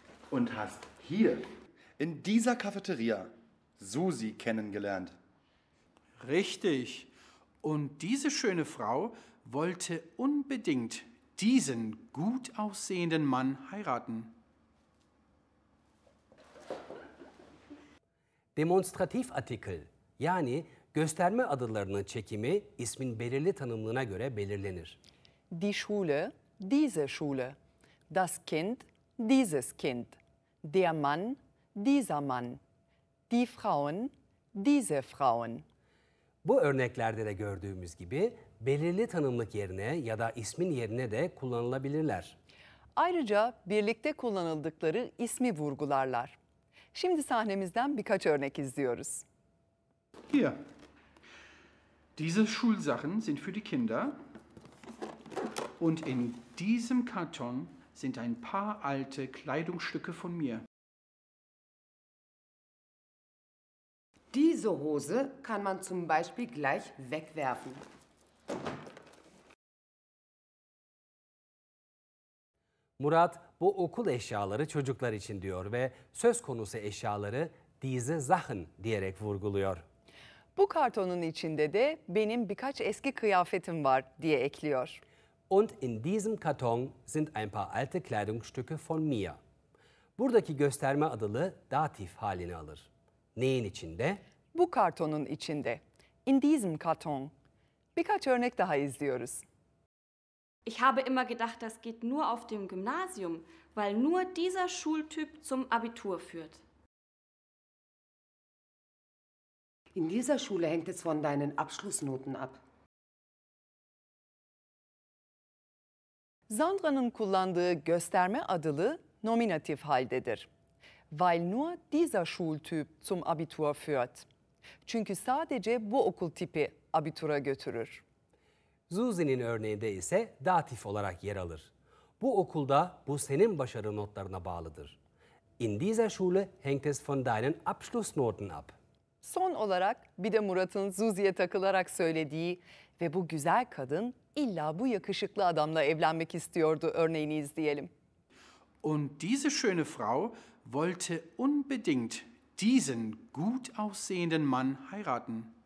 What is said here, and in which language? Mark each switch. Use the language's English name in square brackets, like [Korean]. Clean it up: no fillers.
[German] Und hast hier, in dieser Cafeteria, Susi kennengelernt. Richtig. Und diese schöne Frau wollte unbedingt diesen gut aussehenden Mann heiraten. [Turkish] Demonstrativartikel, yani gösterme adılarının çekimi ismin belirli tanımlığına göre belirlenir. [German] Die Schule, diese Schule. Das Kind, dieses Kind. Der Mann, dieser Mann. Die Frauen, diese Frauen. [Turkish] Bu örneklerde de gördüğümüz gibi belirli tanımlık yerine ya da ismin yerine de kullanılabilirler. Ayrıca birlikte kullanıldıkları ismi vurgularlar. Şimdi sahnemizden birkaç örnek izliyoruz. [German] Hier. Diese Schulsachen sind für die Kinder. Und in diesem Karton sind ein paar alte Kleidungsstücke von mir. Diese Hose kann man zum Beispiel gleich wegwerfen. [Turkish] Murat bu okul eşyaları çocuklar için diyor ve söz konusu eşyaları [German] diese Sachen [Turkish] diyerek vurguluyor. Bu kartonun içinde de benim birkaç eski kıyafetim var diye ekliyor. [German] und in diesem Karton sind ein paar alte Kleidungsstücke von mir. [Turkish] Buradaki gösterme adalı datif halini alır. Neyin içinde? Bu kartonun içinde. [German] In diesem Karton. [Turkish] Birkaç örnek daha izliyoruz. [German] Ich habe immer gedacht, das geht nur auf dem Gymnasium, weil nur dieser Schultyp zum Abitur führt. In dieser Schule hängt es von deinen Abschlussnoten ab. [Turkish] Sandra'nın kullandığı gösterme adalı nominativ haldedir. [German] Weil nur dieser Schultyp zum Abitur führt. [Turkish] Çünkü sadece bu okul tipi abitura götürür. Suzy'nin örneğinde ise datif olarak yer alır. Bu okulda bu senin başarı notlarına bağlıdır. [German] In dieser Schule hängt es von deinen Abschlussnoten ab. [Turkish] Son olarak bir de Murat'ın Suzy'ye takılarak söylediği ve bu güzel kadın illa bu yakışıklı adamla evlenmek istiyordu örneğini izleyelim. [German] Und diese schöne Frau wollte unbedingt diesen gut aussehenden Mann heiraten.